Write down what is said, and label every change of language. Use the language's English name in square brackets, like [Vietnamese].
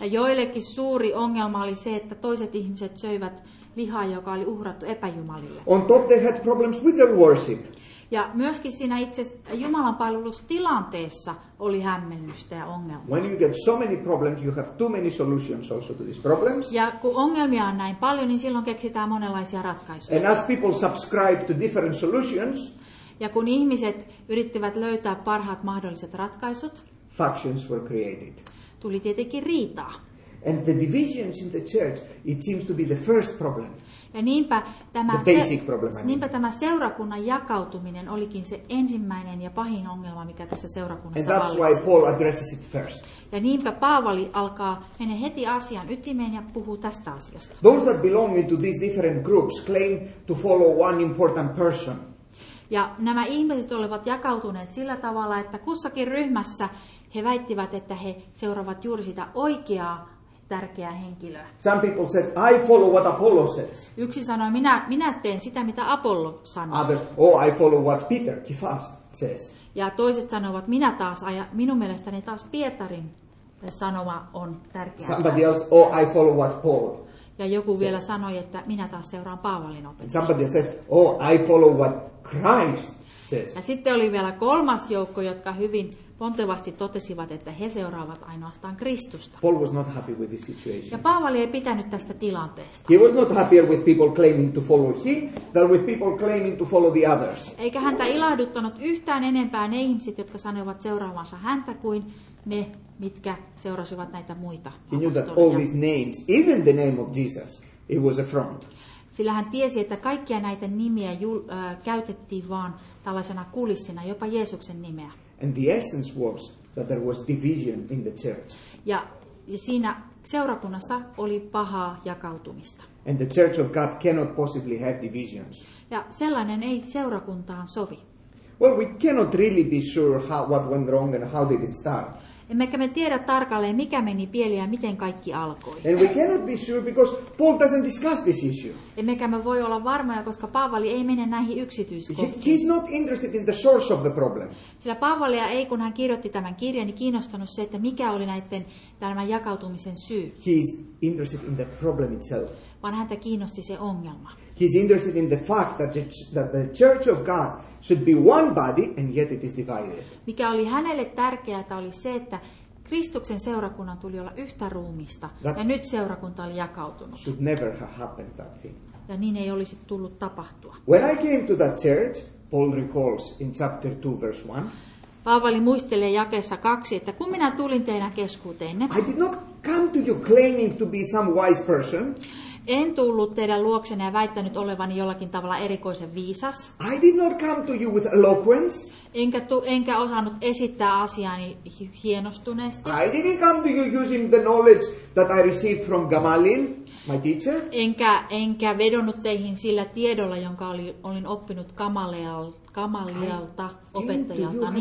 [Finnish] Ja joillekin suuri ongelma oli se, että toiset ihmiset söivät lihaa, joka oli uhrattu epäjumalille. [English] On top they had problems with their worship. [Finnish] Ja myöskin siinä itse Jumalan palvelustilanteessa oli hämmennystä ja ongelmaa. [English] When you get so many problems, you have too many solutions also to these problems. [Finnish] Ja kun ongelmia on näin paljon, niin silloin keksitään monenlaisia ratkaisuja. [English] And as people subscribe to different solutions, [Finnish] ja kun ihmiset yrittivät löytää parhaat mahdolliset ratkaisut, [English] factions were created. [Finnish] Tuli tietenkin riitaa. [English] And the divisions in the church, it seems to be the first problem. [Finnish] Ja niinpä tämä niinpä tämä seurakunnan jakautuminen olikin se ensimmäinen ja pahin ongelma, mikä tässä seurakunnassa vallitsi. [English] And that's why Paul addresses it first. [Finnish] Ja niinpä Paavali alkaa mennä heti asian ytimeen ja puhuu tästä asiasta. [English] Those that belong into these different groups claim to follow one important person. [Finnish] Ja nämä ihmiset olivat jakautuneet sillä tavalla, että kussakin ryhmässä he väittivät, että he seuraavat juuri sitä oikeaa tärkeää henkilöä. [English] Some people said, I follow what Apollo says. [Finnish] Yksi sanoi, minä teen sitä, mitä Apollo sanoo. [English] Others, oh, I follow what Peter Kifas says. [Finnish] Ja toiset sanovat, minä taas, minun mielestäni taas Pietarin sanoma on tärkeää. [English] Somebody else, oh, I follow what Paul. [Finnish] Ja joku [English] says. [Finnish] Vielä sanoi, että minä taas seuraan Paavalin opetusta. [English] Somebody says, oh, I follow what Christ says. [Finnish] Ja sitten oli vielä kolmas joukko, jotka hyvin pontevasti totesivat, että he seuraavat ainoastaan Kristusta. [English] Paul was not happy with this situation. [Finnish] Ja Paavali ei pitänyt tästä tilanteesta. [English] He was not happier with people claiming to follow him than with people claiming to follow the others. [Finnish] Eikä häntä ilahduttanut yhtään enempää ne ihmiset, jotka sanoivat seuraavansa häntä, kuin ne, mitkä seurasivat näitä muita. [English] He knew that all these names, even the name of Jesus, it was a front. [Finnish] Sillä hän tiesi, että kaikkia näitä nimiä käytettiin vaan tällaisena kulissina, jopa Jeesuksen nimeä. [English] And the essence was that there was division in the church. [Finnish] Ja siinä seurakunnassa oli pahaa jakautumista. [English] And the church of God cannot possibly have divisions. [Finnish] Ja sellainen ei seurakuntaan sovi. [English] Well, we cannot really be sure how, what went wrong and how did it start. [Finnish] Emmekä me tiedä tarkalleen, mikä meni pieleen ja miten kaikki alkoi. [English] And we cannot be sure because Paul doesn't discuss this issue. [Finnish] Emmekä me voi olla varmoja, koska Paavali ei mene näihin yksityiskohtiin. [English] He's not interested in the source of the problem. [Finnish] Sillä Paavalia ei, kun hän kirjoitti tämän kirjan, niin kiinnostanut se, että mikä oli näiden tämän jakautumisen syy. [English] He's interested in the problem itself. [Finnish] Vaan häntä kiinnosti se ongelma. [English] He's interested in the fact that the church of God should be one body and yet it is divided. [Finnish] Mikä oli hänelle tärkeää oli se, että Kristuksen seurakunnan tuli olla yhtä ruumista ja nyt seurakunta oli jakautunut. [English] Should never have happened that thing. [Finnish] Ja niin ei olisi tullut tapahtua. [English] When I came to that church, Paul recalls in chapter 2 verse 1. [Finnish] Paavali muistelee jakeessa 2, että kun minä tulin teidän keskuuteenne. [English] I did not come to you claiming to be some wise person. [Finnish] En tullut teidän luoksenne ja väittänyt olevani jollakin tavalla erikoisen viisas. [English] I did not come to you with eloquence. [Finnish] Enkä osannut esittää asiaani hienostuneesti. [English] I didn't come to you using the knowledge that I received from Gamaliel, my teacher. [Finnish] Enkä vedonnut teihin sillä tiedolla, jonka olin oppinut Gamalielta opettajaltani.